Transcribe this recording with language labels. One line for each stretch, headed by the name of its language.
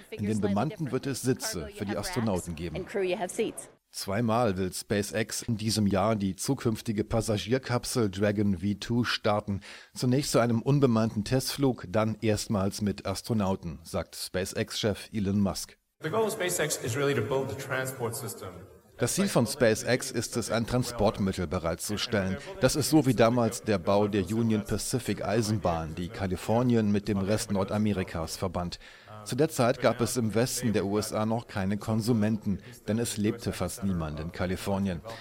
German: In den bemannten wird es Sitze für die Astronauten geben. 2-mal will SpaceX in diesem Jahr die zukünftige Passagierkapsel Dragon V2 starten. Zunächst zu einem unbemannten Testflug, dann erstmals mit Astronauten, sagt SpaceX-Chef Elon Musk.
English: The goal of SpaceX is really to build the transport system.
German: Das Ziel von SpaceX ist es, ein Transportmittel bereitzustellen. Das ist so wie damals der Bau der Union Pacific Eisenbahn, die Kalifornien mit dem Rest Nordamerikas verband. Zu der Zeit gab es im Westen der USA noch keine Konsumenten, denn es lebte fast niemand in Kalifornien.